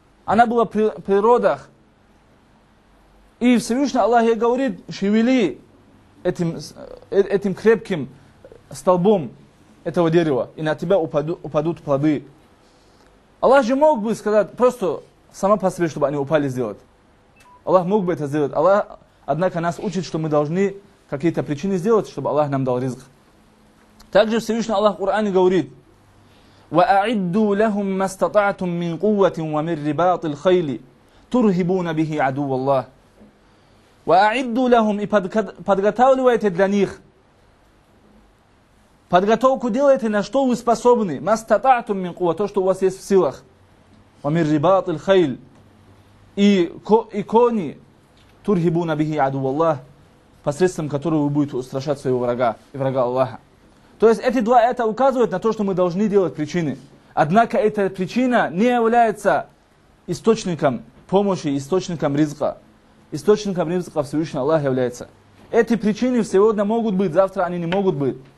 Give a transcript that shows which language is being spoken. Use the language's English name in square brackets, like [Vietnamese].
[Russian] Она была при природах. И Всевышний Аллах ей говорит, шевели этим крепким столбом этого дерева, и на тебя упадут плоды. Аллах же мог бы сказать просто сама по себе, чтобы они упали сделать. Аллах мог бы это сделать. Аллах, однако, нас учит, что мы должны какие-то причины сделать, чтобы Аллах нам дал ризг. [Arabic] Также Всевышний Аллах в Коране говорит: وَأَعِدُّوا لَهُمْ مَا اسْتَطَعْتُمْ مِنْ قُوَّةٍ وَمِنْ رِبَاطِ الْخَيْلِ تُرْهِبُونَ بِهِ عَدُوَّ اللَّهِ وَأَعِدُّوا لَهُمْ [Russian] и подготавливайте для них. Подготовку делайте, на что вы способны. [Arabic] مَا اسْتَطَعْتُمْ مِنْ قُوَّةٍ [Russian] то, что у вас есть в силах. [Arabic] وَمِنْ رِبَاطِ الْخَيْلِ [Russian] и кони. [Arabic] تُرْهِبُونَ بِهِ عَدُوَّ اللَّهِ [Russian] посредством которого вы будете устрашать своего врага и врага Аллаха. То есть эти два аята указывают на то, что мы должны делать причины. Однако эта причина не является источником помощи, источником ризка. Источником ризка Всевышний Аллах является. Эти причины сегодня могут быть, завтра они не могут быть.